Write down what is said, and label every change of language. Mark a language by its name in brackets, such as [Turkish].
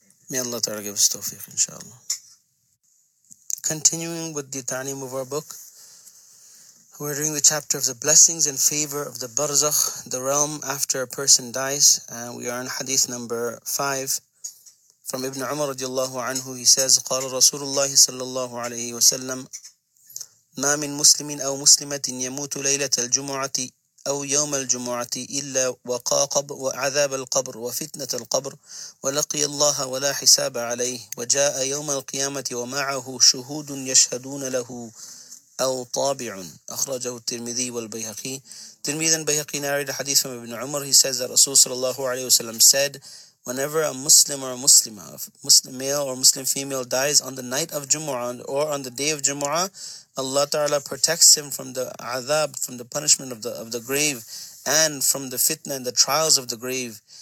[English] May Allah Ta'ala give us tawfiq, inshaAllah. Continuing with the ta'lim of our book, we're doing the chapter of the blessings and favor of the barzakh, the realm after a person dies. And we are in hadith number 5. From Ibn Umar radiallahu anhu, he says, [Arabic] قَالَ رَسُولُ اللَّهِ صَلَّى اللَّهُ عَلَيْهِ وَسَلَّمْ مَا مِن مُسْلِمٍ أَوْ مُسْلِمَةٍ يَمُوتُ لَيْلَةَ الْجُمُعَةِ أو يوم الجمعة إلا وقى قبر وعذاب القبر وفتنة القبر ولقي الله ولا حساب عليه وجاء يوم القيامة ومعه شهود يشهدون له أو طابع أخرجه الترمذي والبيهقي. [English] ترمذي and Bayhaqi narrated a hadith from Ibn Umar. He says that Rasul sallallahu alayhi wasallam said, whenever a Muslim or a Muslimah, Muslim male or Muslim female dies on the night of Jumu'ah or on the day of Jumu'ah, Allah Ta'ala protects him from the azab, from the punishment of the grave, and from the fitna and the trials of the grave.